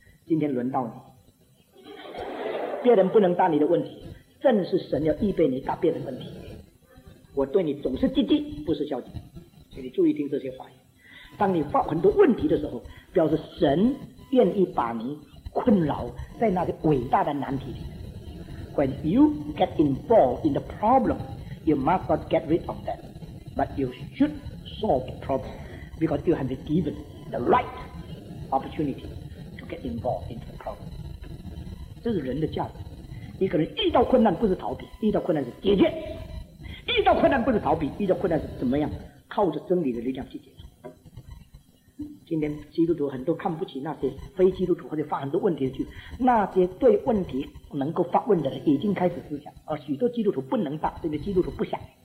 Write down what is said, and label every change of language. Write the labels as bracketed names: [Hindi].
[Chinese] 今天轮到你，别人不能答你的问题，正是神要预备你答别人的问题。我对你总是积极，不是消极，请你注意听这些话语。当你发很多问题的时候，表示神愿意把你困扰在那个伟大的难题里。 [English] When you get involved in the problem, you must not get rid of that, but you should solve the problem because you have been given the right opportunity to get involved into the problem. [Chinese] 这是人的价值。一个人遇到困难不是逃避，遇到困难是解决。遇到困难不是逃避，遇到困难是怎么样？靠着真理的力量去解决。今天基督徒很多看不起那些非基督徒，或者发很多问题的去，那些对问题能够发问的人已经开始思想，而许多基督徒不能答，这个基督徒不想。